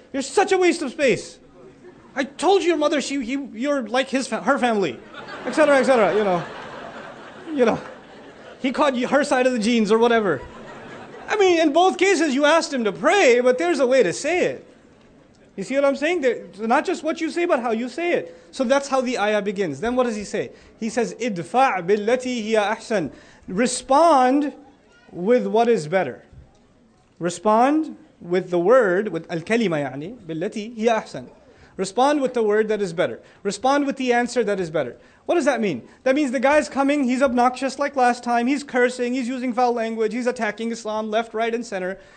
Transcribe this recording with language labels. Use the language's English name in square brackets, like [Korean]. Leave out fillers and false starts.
[English] You're such a waste of space. I told your mother you're like her family, etc., etc. You know. He caught her side of the genes or whatever. I mean, in both cases, you asked him to pray, but there's a way to say it. You see what I'm saying? So not just what you say, but how you say it. So that's how the ayah begins. Then what does he say? He says, [Arabic] اِدْفَعْ بِالَّتِي هِيَ أَحْسَنُ. [English] Respond with what is better. Respond with the word, with [Arabic] الْكَلِمَةِ يَعْنِي بِالَّتِي هِيَ أَحْسَنُ. [English] Respond with the word that is better. Respond with the answer that is better. What does that mean? That means the guy's coming, he's obnoxious like last time, he's cursing, he's using foul language, he's attacking Islam left, right, and center.